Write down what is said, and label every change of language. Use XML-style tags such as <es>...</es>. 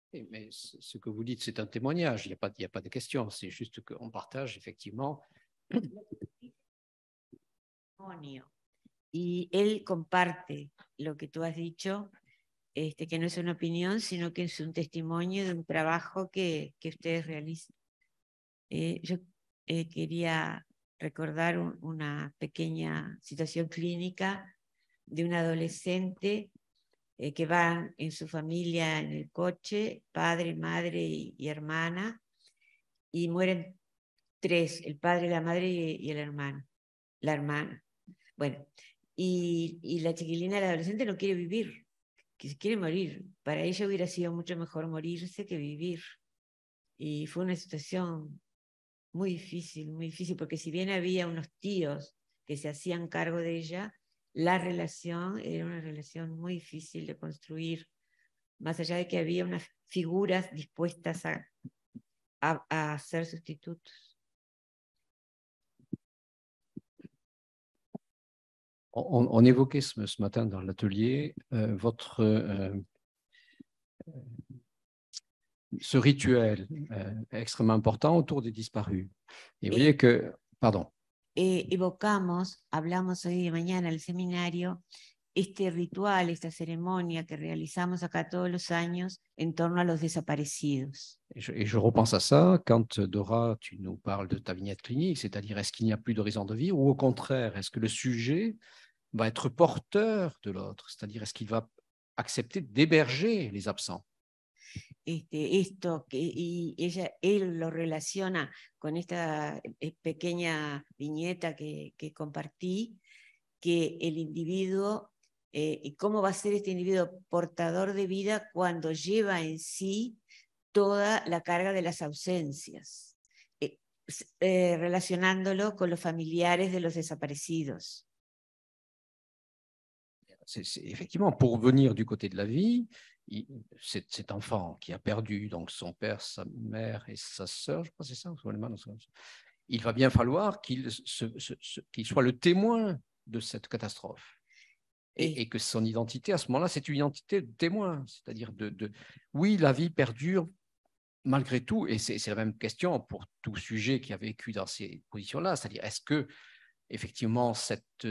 <fr>Mais ce que vous dites, c'est un témoignage, il n'y a pas de question, c'est juste qu'on partage effectivement.</fr> <es>Y él comparte lo que tú has dicho, que no es una opinión, sino que es un testimonio de un trabajo que ustedes realizan. Yo quería recordar una pequeña situación clínica de un adolescente que van en su familia en el coche, padre, madre y hermana, y mueren tres, el padre, la madre y el hermano, la hermana. Bueno, y la chiquilina, la adolescente, no quiere vivir, que se quiere morir. Para ella hubiera sido mucho mejor morirse que vivir. Y fue una situación muy difícil, porque si bien había unos tíos que se hacían cargo de ella, la relación era una relación muy difícil de construir, más allá de que había unas figuras dispuestas a ser sustitutos.</es> <fr>On évoquait ce matin dans l'atelier ce rituel extrêmement important autour des disparus. Et vous voyez que, pardon.</fr> <es>Evocamos, hablamos hoy de mañana en el seminario, este ritual, esta ceremonia que realizamos acá todos los años en torno a los desaparecidos.</es> <fr>Et je repense à ça quand Dora, tu nous parles de ta vignette clinique, c'est-à-dire est-ce qu'il n'y a plus d'horizon de vie ou au contraire, est-ce que le sujet va être porteur de l'autre, c'est-à-dire est-ce qu'il va accepter d'héberger les absents.</fr> <es>Esto que él lo relaciona con esta pequeña viñeta que compartí, que el individuo, y cómo va a ser este individuo portador de vida cuando lleva en sí toda la carga de las ausencias, relacionándolo con los familiares de los desaparecidos.</es> <fr>Effectivement, pour venir du côté de la vie, cet enfant qui a perdu donc son père, sa mère et sa sœur, je crois que c'est ça, il va bien falloir qu'il soit le témoin de cette catastrophe et que son identité, à ce moment-là, c'est une identité de témoin, c'est-à-dire de oui, la vie perdure malgré tout, et c'est la même question pour tout sujet qui a vécu dans ces positions-là, c'est-à-dire est-ce que effectivement, cette</fr>